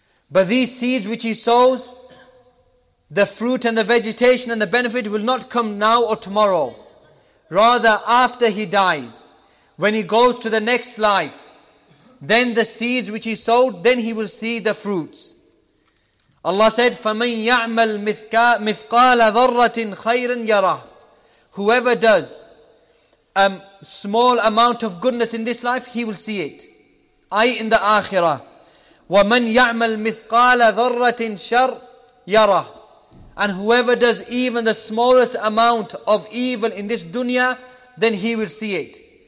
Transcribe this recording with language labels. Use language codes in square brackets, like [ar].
[en] But these seeds which he sows, the fruit and the vegetation and the benefit will not come now or tomorrow. Rather, after he dies, when he goes to the next life, then the seeds which he sowed, then he will see the fruits. Allah said, [ar] فَمَنْ يَعْمَلْ مِثْقَالَ ذَرَّةٍ خَيْرًا يَرَهُ. [en] Whoever does a small amount of goodness in this life, he will see it. I in the akhirah. [ar] وَمَنْ يَعْمَلْ مِثْقَالَ ذَرَّةٍ شَرٌ يَرَهُ. [en] And whoever does even the smallest amount of evil in this dunya, then he will see it.